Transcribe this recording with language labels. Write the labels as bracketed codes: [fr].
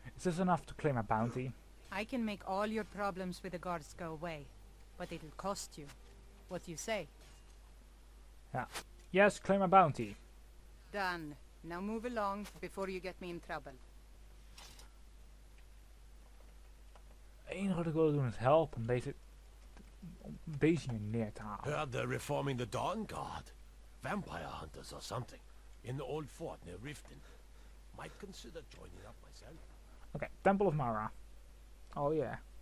[en] Is this enough to claim a bounty? I can make all your problems with the guards go away, but it'll cost you. What do you say? Yeah. Yes, claim a bounty. Done. Now move along before you get me in trouble. [nl] Het enige wat ik wil doen is helpen om deze hier neer te halen. [en] Heard they're reforming the Dawn Guard. Vampire hunters or something. In the old fort near Riften. Might consider joining up myself. Oké, okay, Temple of Mara. Oh yeah.